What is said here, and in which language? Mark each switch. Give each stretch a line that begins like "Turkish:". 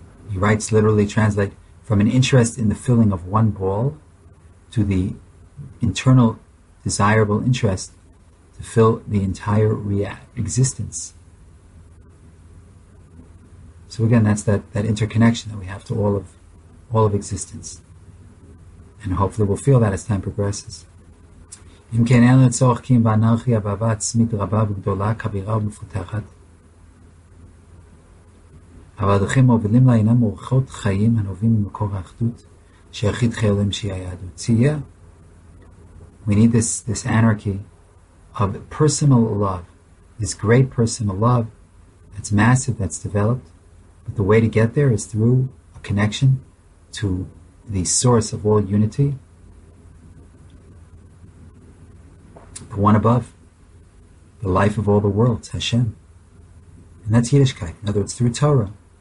English: He writes, literally translate, from an interest in the filling of one ball to the internal desirable interest to fill the entire existence. So again, that's that interconnection that we have to all of existence. And hopefully we'll feel that as time progresses.
Hebrew: אם כן אין לצורך כי אם באנרכיה ואהבה עצמית רבה וגדולה, כבירה ומפותחת. אבל הדרכים מובילים לה אינם אורחות חיים הנובעים ממקור האחדות שיחיד חיי עולם שהיא היהדות.
English: So yeah, we need this anarchy of personal love, this great personal love that's massive, that's developed, but the way to get there is through a connection to the source of all unity, the one above, the life of all the worlds, Hashem. And that's Yiddishkeit. In other words, through Torah.